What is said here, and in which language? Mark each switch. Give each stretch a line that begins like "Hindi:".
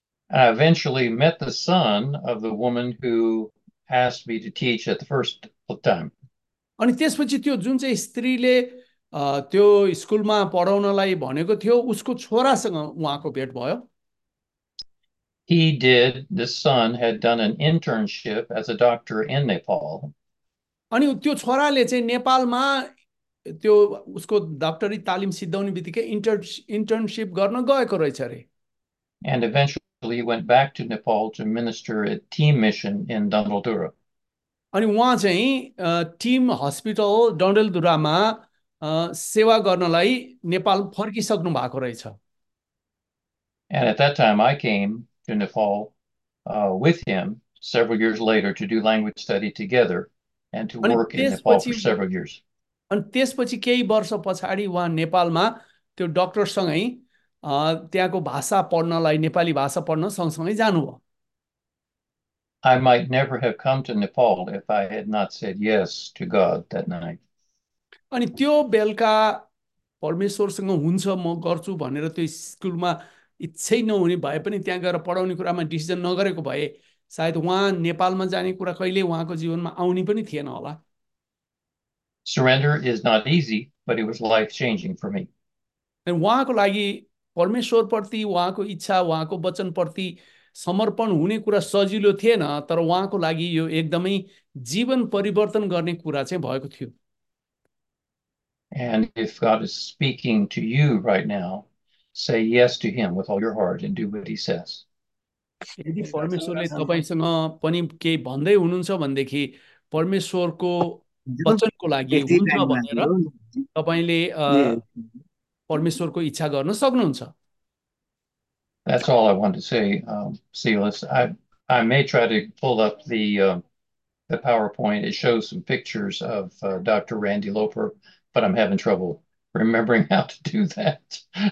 English: I eventually met the son of the woman who asked me to teach at the first time.
Nepali: अनि त्यसपछि त्यो जुन चाहिँ स्त्रीले त्यो स्कुलमा पढाउनलाई भनेको थियो उसको छोरासँग उहाँको भेट भयो.
English: He did, the son had done an internship as a doctor in Nepal.
Nepali: अनि त्यो छोराले चाहिँ नेपालमा त्यो उसको डाक्टरी तालिम सिद्धाउने बित्तिकै इन्टर्नसिप गर्न गएको रहेछ अरे.
English: And eventually he went back to Nepal to minister at Team Mission in Dandaldura.
Nepali: अनि उहाँ चाहिँ टिम हस्पिटल डन्डेलधुरामा सेवा गर्नलाई नेपाल फर्किसक्नु भएको रहेछ.
English: And at that time I came to Nepal with him several years later to do language study together and to
Nepali: अनि
English: work in Nepal
Nepali: त्यसपछि
English: for several years.
Nepali: केही वर्ष पछाडि उहाँ नेपालमा त्यो डक्टरसँगै त्यहाँको भाषा पढ्नलाई नेपाली भाषा पढ्न सँगसँगै जानुभयो.
English: I might never have come to Nepal if I had not said yes to God that night.
Nepali: अनि त्यो बेलुका परमेश्वरसँग हुन्छ म गर्छु भनेर त्यो स्कुलमा इच्छै नहुने भए पनि त्यहाँ गएर पढाउने कुरामा डिसिजन नगरेको भए सायद उहाँ नेपालमा जाने कुरा कहिले उहाँको जीवनमा आउने पनि थिएन होला.
English: Surrender is not easy, but it was life-changing for me.
Nepali: अनि उहाँको लागि परमेश्वरप्रति उहाँको इच्छा उहाँको वचनप्रति समर्पण हुने कुरा सजिलो थिएन तर उहाँको लागि यो एकदमै जीवन परिवर्तन गर्ने कुरा चाहिँ भएको थियो.
English: And if God is speaking to you right now, say yes to him with all your heart and do what he says.
Nepali: यदि परमेश्वरले तपाईँसँग पनि केही भन्दै हुनुहुन्छ भनेदेखि परमेश्वरको वचनको लागि हुन्छ भनेर तपाईँले परमेश्वरको इच्छा गर्न सक्नुहुन्छ.
English: That's all I want to say, Silas. I may try to pull up the PowerPoint. It shows some pictures of Dr. Randy Loper. But I'm having trouble remembering how to do that.